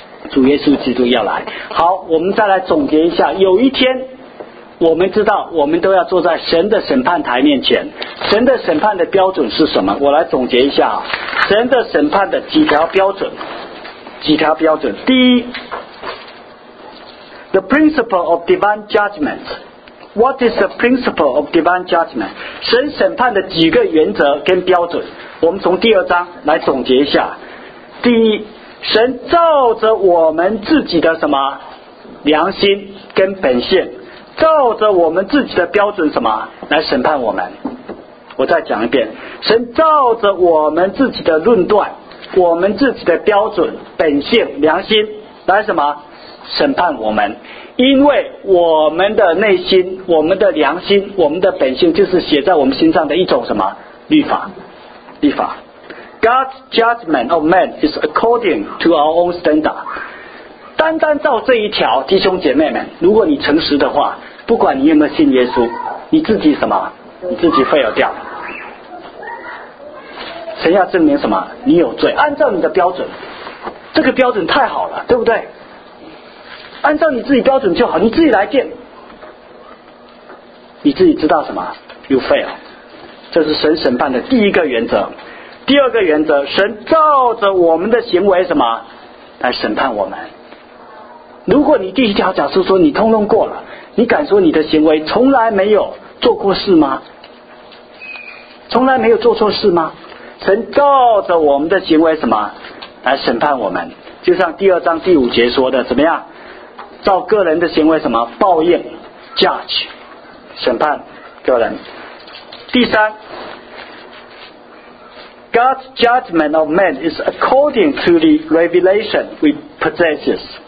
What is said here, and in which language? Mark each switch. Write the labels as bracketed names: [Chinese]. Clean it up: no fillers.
[Chinese] 主耶稣基督要来。好，我们再来总结一下，有一天我们知道我们都要坐在神的审判台面前，神的审判的标准是什么？我来总结一下，神的审判的几条标准，几条标准。第一， [English] The principle of divine judgmentWhat is the principle of divine judgment? [Chinese] 神审判的几个原则跟标准，我们从第二章来总结一下。第一，神照着我们自己的什么良心跟本性，照着我们自己的标准什么来审判我们。我再讲一遍，神照着我们自己的论断，我们自己的标准、本性、良心来什么审判我们。因为我们的内心、我们的良心、我们的本性，就是写在我们心上的一种什么律法，律法。 [English] God's judgment of man is according to our own standard. [Chinese] 单单照这一条，弟兄姐妹们，如果你诚实的话，不管你有没有信耶稣，你自己什么？你自己废了掉。神要证明什么？你有罪。按照你的标准，这个标准太好了，对不对？按照你自己标准就好，你自己来见，你自己知道什么？ [English] You fail。 [Chinese] 这是神审判的第一个原则。第二个原则，神照着我们的行为什么来审判我们。如果你第一条假设说你通通过了，你敢说你的行为从来没有做过事吗？从来没有做错事吗？神照着我们的行为什么来审判我们，就像第二章第五节说的，怎么样？照个人的行为什么报应 judge 审判个人。第三， [English] God's judgment of man is according to the revelation we possess.